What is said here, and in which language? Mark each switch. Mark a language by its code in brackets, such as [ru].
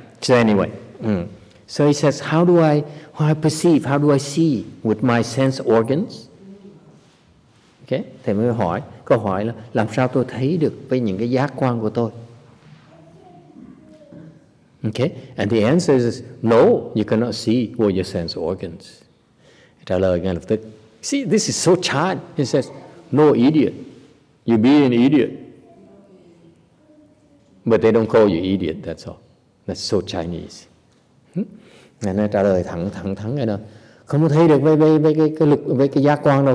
[en] So anyway, so he says, how do I perceive? How do I see with my sense organs? Okay? [vi] Thầy mới hỏi, câu hỏi là làm sao tôi thấy được với những cái giác quan của tôi? [en] Okay, and the answer is no, you cannot see with your sense organs. [vi] Trả lời ngay lập tức. [en] See, this is so charged. He says, no idiot. You be an idiot. But they don't call you idiot, that's all. That's so Chinese. [vi] Ngài nói trả lời thẳng ngay đó. Không thấy được với cái giác quan đâu.